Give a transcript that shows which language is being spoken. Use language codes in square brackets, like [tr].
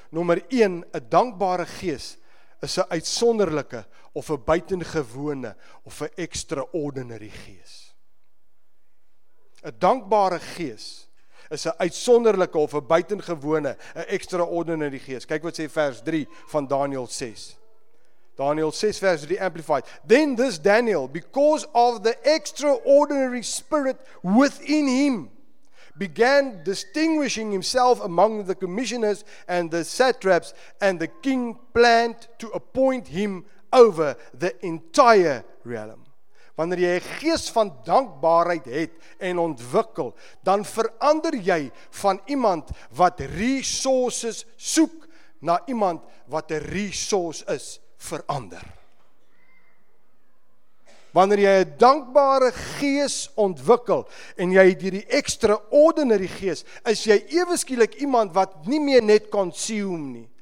[af] Nommer 1, 'n dankbare gees is 'n uitsonderlike of 'n buitengewone of 'n extraordinary gees. 'n Dankbare gees is 'n uitsonderlike of 'n buitengewone, 'n extraordinary gees. Kyk wat sê vers 3 van Daniel 6. Daniel 6 vers 3 Amplified. [en] Then this Daniel, because of the extraordinary spirit within him, began distinguishing himself among the commissioners and the satraps, and the king planned to appoint him over the entire realm. [af] Wanneer jy 'n gees van dankbaarheid het en ontwikkel, dan verander jy van iemand wat resources soek na iemand wat 'n resource is vir ander. Wanneer jy 'n dankbare gees ontwikkel en jy het hierdie extraordinary gees, is jy eweskielik iemand wat nie meer net consume nie.